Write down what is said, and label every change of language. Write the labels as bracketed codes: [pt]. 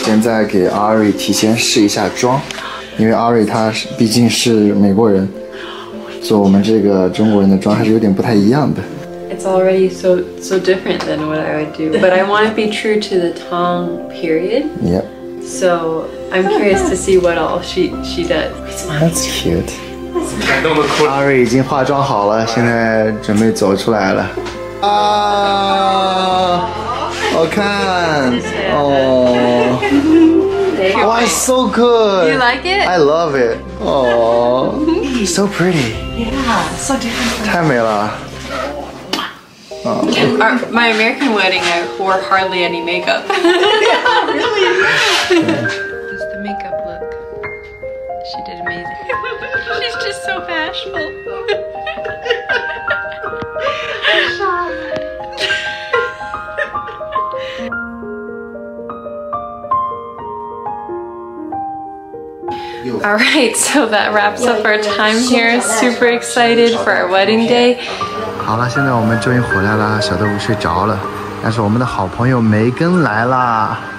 [zh] 现在给 Ari 提前试一下妆，因为 Ari 他毕竟是美国人，做我们这个中国人的妆还是有点不太一样的。 [en] It's already so different than what I would do, but I want to be true to the Tang period. Yep. So I'm curious to see what all she does. That's cute. [zh] Ari 已经化妆好了，现在准备走出来了。我看哦，哇 ， [en] it's so good. You like it? I love it. Oh, so pretty. Yeah, so different. [zh] 太美了。 [en] My American wedding, I wore hardly any makeup. Yeah, really. Just the makeup look. She did amazing. She's just so bashful. All right, so that wraps up our time here. Super excited for our wedding day. [zh] 好了，现在我们终于回来了。小豆腐睡着了，但是我们的好朋友梅根来了。